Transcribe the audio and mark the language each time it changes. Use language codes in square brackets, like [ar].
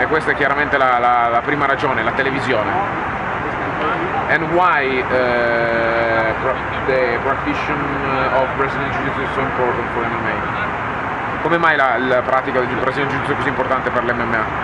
[it] E questa è chiaramente la prima ragione, la televisione. [en] And why the practitioner of Brazilian Jiu-Jitsu is so important for MMA? [it] Come mai la pratica del Brazilian Jiu-Jitsu è così importante per l'MMA?